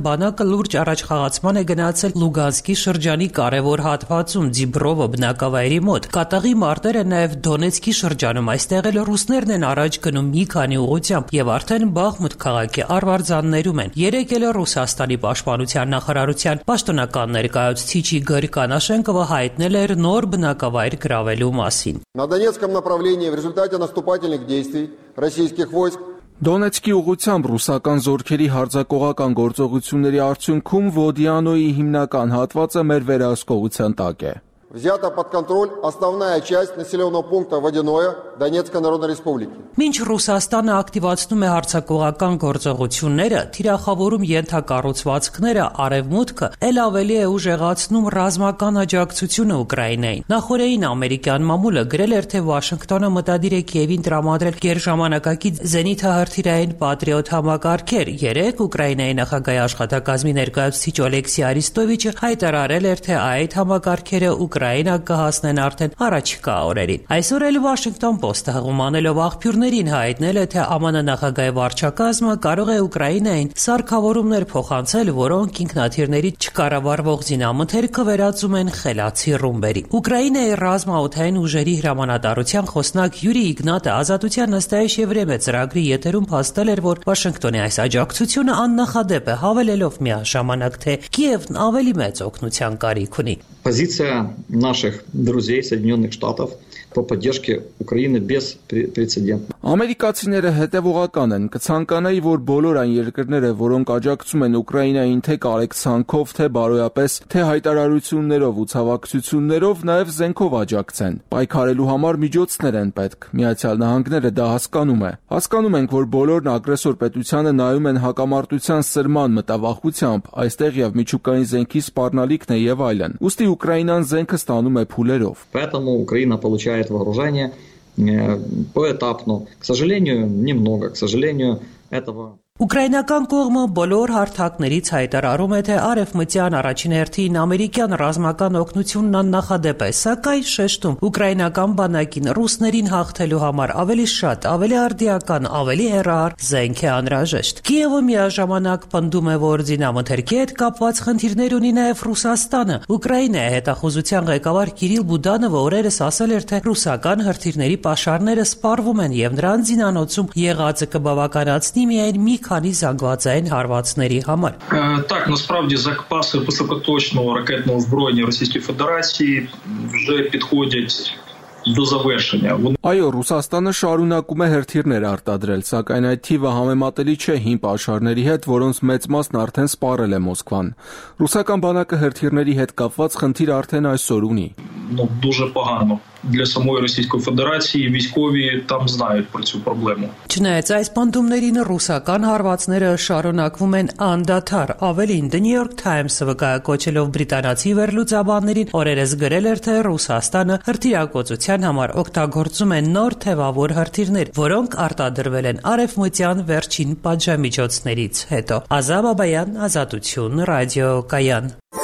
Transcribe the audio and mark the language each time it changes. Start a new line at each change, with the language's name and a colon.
Armenian: բանակը լուրջ առաջխաղացման է գնացել Լուգանսկի շրջանի կարևոր հատվածում Ձիբրովո բնակավայրի մոտ։ Կատաղի մարտեր են նաև Դոնեցկի շրջանում, այստեղ էլ ռուսներն են առաջ գնում մի քանի ուղությամբ և արդեն Բախմուտ քաղաքի արվարձաններում են։ Երեկ էլ Ռուսաստանի պաշտպանության նախարարության պաշտոնական ներկայացուցիչ Իգոր Կանաշենկովը հայտնել էր նոր բնակավայր գրավելու մասին։
Russian: На Донецком направлении в результате наступательных действий российских войск
Armenian: Դոնեցկի ուղությամբ ռուսական զորքերի հարձակողական գործողությունների արդյունքում Վոդիանոյի հիմնական հատվածը մեր վերահսկողության տակ է։
Russian: Взята под контроль основная часть населённого пункта Водяное Донецкой Народной Республики։
Armenian: Մինչ Ռուսաստանը ակտիվացնում է հարձակողական գործողությունները, թիրախավորում ենթակառուցվածքները, արևմուտքը էլ ավելի է ուժեղացնում ռազմական աջակցությունը Ուկրաինային։ Նախորդին ամերիկյան մամուլը գրել էր, թե Վաշինգտոնը մտադիր է Կիևին տրամադրել գերժամանակակից զենիթահրթիրային Պատրիոտ համակարգեր։ Երեկ Ուկրաինայի նախագահի աշխատակազմի ներկայացուցիչ Օլեքսի Արիստովիչը հայտարարել էր, թե այդ համակարգերը Ուկրաինա կհասնեն արդեն առաջիկա օրերին։ Այսօր էլ Վաշինգտոն Պոստը հղումանելով աղբյուրներին հայտնել է, թե ԱՄՆ նախագահի վարչակազմը կարող է Ուկրաինային սարքավորումներ փոխանցել, որոնք ինքնաթիռների չկառավարվող զինամթերքը վերածում են խելացի ռումբերի։ Ուկրաինայի ռազմաօդային ուժերի հրամանատարության խոսնակ Յուրի Իգնատը Ազատության Նստայիշ և Վրեմե ծրագրի եթերում փաստել էր, որ Վաշինգտոնի այս աջակցությունը աննախադեպ է, հավելելով միաժամանակ, թե Կիևն ավելի մեծ օգնության կարիք ունի։
Russian: Позиция наших друзей Соединенных Штатов по поддержке Украины беспрецедентна.
Armenian: Ամերիկացիները հետևողական են, կցանկանայի, որ բոլոր այն երկրները, որոնք աջակցում են Ուկրաինային թե կարեկցանքով, թե բարոյապես, թե հայտարարություններով ու ցավակցություններով, նաև զենքով աջակցեն։ Պայքարելու համար միջոցներ են պետք։ Միացյալ Նահանգները դա հասկանում է։ Հասկանում ենք, որ բոլորն ագրեսոր պետությանը նայում են հակամարտության սրման մտավախությամբ, այստեղ եւ միջուկային զենքի սպառնալիքն է եւ այլն։ Ուստի Ուկրաինան զենքը ստանում է փուլերով։
Russian: Поэтому Украина получает вооружение поэтапно, к сожалению, немного, к сожалению, этого
Armenian: Ուկրաինական կողմը բոլոր հարթակներից հայտարարում է, թե արևմտյան առաջին հերթին ամերիկյան ռազմական օգնությունն աննախադեպ է, սակայն շեշտում ուկրաինական բանակին ռուսներին հաղթելու համար ավելի շատ, ավելի արդիական, ավելի հեռահար զենք է անհրաժեշտ։ Կիևը միաժամանակ պնդում է, որ դինամթերքի հետ կապված խնդիրներ ունի նաև Ռուսաստանը։ Ուկրաինայի հետախուզության ղեկավար Կիրիլ Բուդանովը օրերս ասել էր, թե ռուսական հրթիռների պաշարները սպառվում են և նրանց զինանոցում եղածը կբավականացնի միայն մի քանի զանգվածային հարվածների համար։
Ukrainian: Так, насправді запаси високоточного ракетного озброєння Російської Федерації вже підходять до завершення.
Armenian: Այո, Ռուսաստանը շարունակում է հրթիռներ արտադրել, սակայն այդ թիվը համեմատելի չէ հին պաշարների հետ, որոնց մեծ մասն արդեն սպառել է Մոսկվան։ Ռուսական բանակը հրթիռների հետ կապված խնդիր արդեն այսօր ունի։
Ukrainian: Дуже погано. Для самої Російської Федерації військові там знають про цю проблему.
Armenian: Չնայած այս պանդումներին, ռուսական հարվածները շարունակվում են անդադար։ Ավելին, The New York Times-ը վկայակոչելով բրիտանացի վերլուծաբաններին, օրերս գրել էր, թե Ռուսաստանը հրթիռակոծության համար օգտագործում է նոր թևավոր հրթիռներ, որոնք արտադրվել են արևմտյան վերջին պատժամիջոցներից հետո։ Ազաբաբայան, Ազատություն, Ռադիո Կայան։